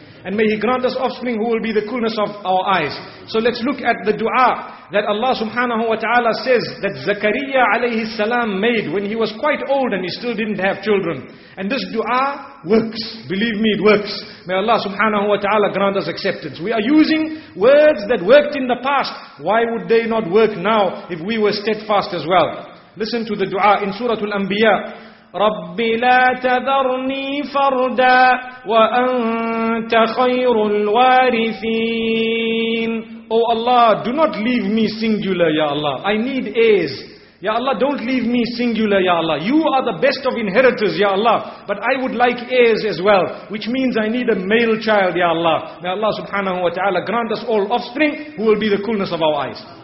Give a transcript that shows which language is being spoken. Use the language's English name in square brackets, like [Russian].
[English] And may He grant us offspring who will be the coolness of our eyes. So let's look at the dua that Allah subhanahu wa ta'ala says that Zakariya alayhi salam made when he was quite old and he still didn't have children. And this dua works. Believe me, it works. May Allah subhanahu wa ta'ala grant us acceptance. We are using words that worked in the past. Why would they not work now if we were steadfast as well? Listen to the dua in Surah Al-Anbiya. [Arabic] رب لا تذرني فردا وأنت خير الوارثين. [English] Oh Allah, do not leave me singular, Ya Allah. I need heirs. Ya Allah, don't leave me singular, Ya Allah. You are the best of inheritors, Ya Allah. But I would like heirs as well, which means I need a male child, Ya Allah. May Allah subhanahu wa ta'ala grant us all offspring who will be the coolness of our eyes.